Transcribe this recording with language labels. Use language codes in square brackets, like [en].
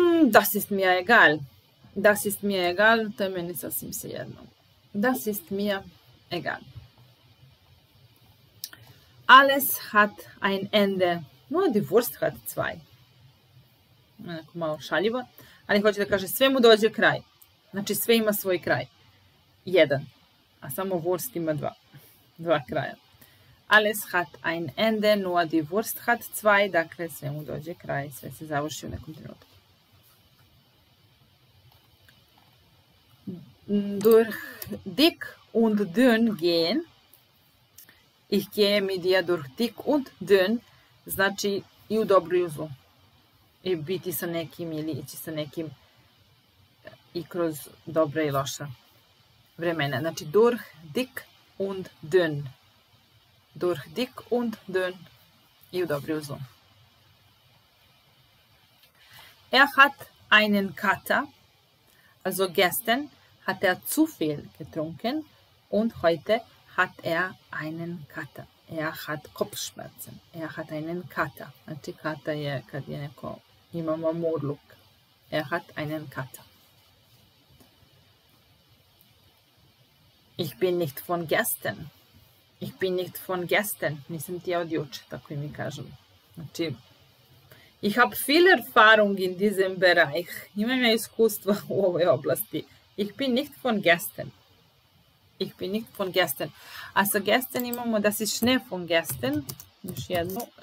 [de] Das ist mir egal. Das ist mir egal. [sr] To je meni sasvim se jedno. [de] Das ist mir Egal. Alles hat ein Ende, nur die Wurst hat zwei. Guck mal, [sr] šaljivo. Ali hoće da kaže, svemu dođe kraj. Znači, sve ima svoj kraj. Jedan. A samo Wurst ima dva. Dva kraja. [de] Alles hat ein Ende, nur die Wurst hat zwei. [sr] Dakle, svemu dođe kraj. Sve se završi u nekom trenutku. [de] Durch dick und dünn gehen. Ich gehe mit dir durch dick und dünn. [sr] Znači, i u dobro i u zlo. I biti sa nekim ili ići sa nekim i kroz dobra i loša vremena. Znači, [de] durch dick und dünn. Durch dick und dünn. [sr] I u dobro i u zlo. [de] Er hat einen Kater, also gestern hat er zu viel getrunken und heute hat er einen Kater. Er hat Kopfschmerzen. Er hat einen Kater. [sr] Znači, Kater je kad je neko ima mamurluk. [de] Er hat einen Kater. Ich bin nicht von gestern. Ich bin nicht von gestern. [sr] Nisam ti ja od juče, tako mi kažem. Znači, [de] ich habe viel Erfahrung in diesem Bereich. [sr] Imam ja iskustva u ovoj oblasti. [de] Ich bin nicht von gestern. Ich bin nicht von gestern. [sr] A sa gestern imamo, [de] das ist Schnee von gestern. [sr] Još jedno.